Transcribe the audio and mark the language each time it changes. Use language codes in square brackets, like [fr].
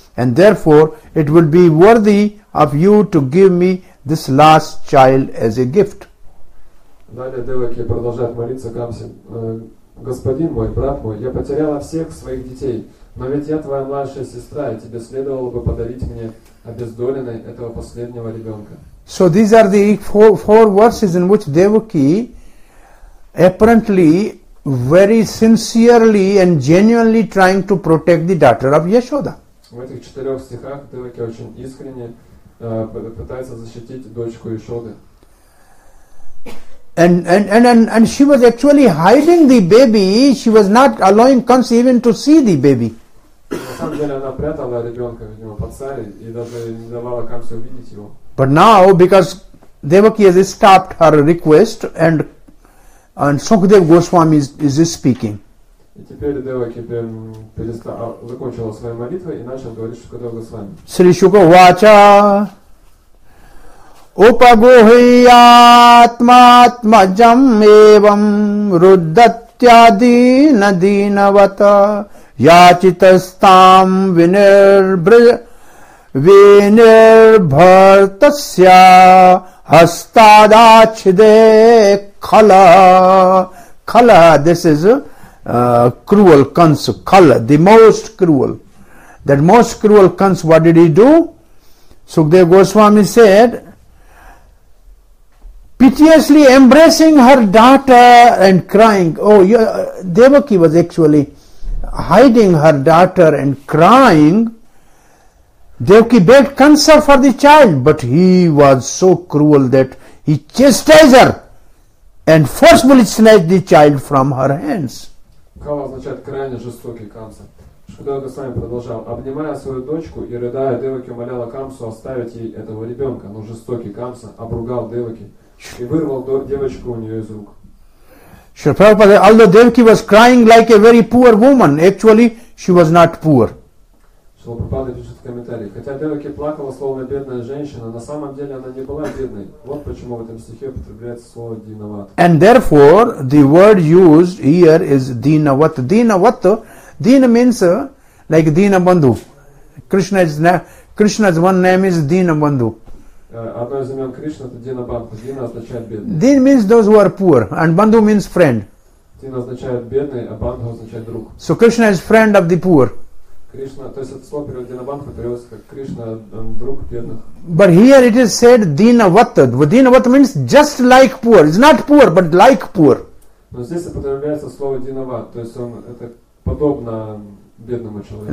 [en] And therefore, it will be worthy of you to give me this last child as a gift. [ru] Далее Деваки продолжает молиться Камсе. Господин мой, брат мой, я потеряла всех своих детей, но ведь я твоя младшая сестра, и тебе следовало бы подарить мне обездоленной этого последнего ребенка. [en] So these are the four verses in which Devaki apparently very sincerely and genuinely trying to protect the daughter of Yashoda. [ru] В этих четырех стихах Деваки очень искренне пытается защитить дочку Яшоды. [en] And she was actually hiding the baby. She was not allowing Kansa even to see the baby. [ru] На самом деле она прятала ребенка, видимо, под сари и даже не давала Кансе увидеть его. [en] But now, because Devaki has stopped her request and Sukadeva Goswami is speaking. [ru] И теперь Деваки закончила свою молитву и начал говорить Шукадева Госвами. [sa] Шри Шука Вача Упагухиятматматмаджам Эвам Руддатьяди Надинавата Ячитастам Винирбхартасья Хастадачде Кхала Кхала, [en] this is cruel Kans, Kala, the most cruel. That most cruel Kans, what did he do? Sukadeva Goswami said, piteously embracing her daughter and crying, Devaki was actually hiding her daughter and crying. Devaki begged Kansa for the child, but he was so cruel that he chastised her and forcibly snatched the child from her hands. [ru] Кхала означает крайне жестокий, Камса. Шукадева Госвами продолжал, обнимая свою дочку и рыдая, Деваки умоляла Камсу оставить ей этого ребенка, но жестокий Камса обругал Деваки и вырвал девочку у нее из рук. [en] Шри Прабхупада, although Devaki was crying like a very poor woman, actually she was not poor. [ru] Шри Прабхупада пишет в комментарии, хотя Деваки плакала словно бедная женщина, на самом деле она не была бедной. Вот почему в этом стихе употребляется слово динавата. [en] And therefore, the word used here is динавата. Динавата, дина means like динабанду. Krishna's one name is динабанду. [ru] Одно из имен Кришны это динабанду. Дина означает бедный. [en] Дин means those who are poor, and банду means friend. [ru] Дина означает бедный, а банду означает друг. [en] So Krishna is friend of the poor. [ru] Кришна, то есть это слово переводится на банху, переводится как Кришна, друг бедных. [en] But here it is said Dinavata. Dinavata means just like poor. It's not poor, but like poor. [ru] Но здесь употребляется слово Dinavata, то есть он это подобно бедному человеку.